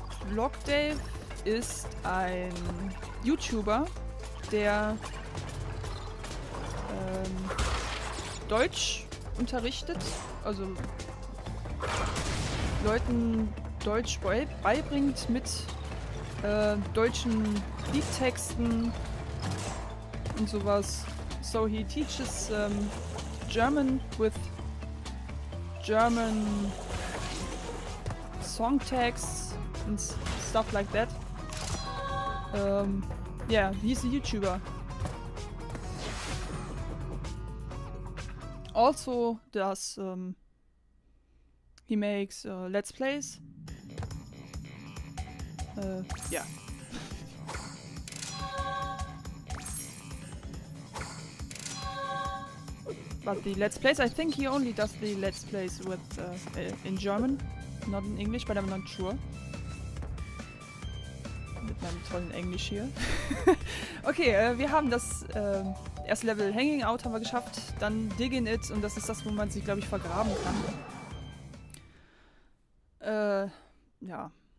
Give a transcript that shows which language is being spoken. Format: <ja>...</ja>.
<de>Vlog Dave ist ein YouTuber, der Deutsch unterrichtet, also Leuten Deutsch beibringt mit deutschen Liedtexten. Und sowas.</de> <en>So he teaches German with German song texts and stuff like that. Yeah, he's a YouTuber. Also does he makes let's plays. Yeah. But the Let's Plays, I think he only does the Let's Plays with in German, not in English, but I'm not sure.</en> <de>Mit meinem tollen Englisch hier. Okay, wir haben das erste Level Hanging Out haben wir geschafft, dann Dig in It, und das ist das, wo man sich, glaube ich, vergraben kann. Ja.</de>